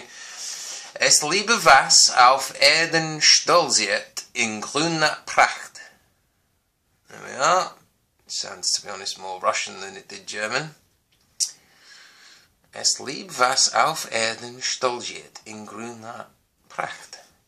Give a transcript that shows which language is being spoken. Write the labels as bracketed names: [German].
[German] Es liebe was auf Erden stolziert in grüner Pracht. [English] There we are. Sounds, to be honest, more Russian than it did German. [German] Es liebt was auf Erden stolziert in grüner Pracht.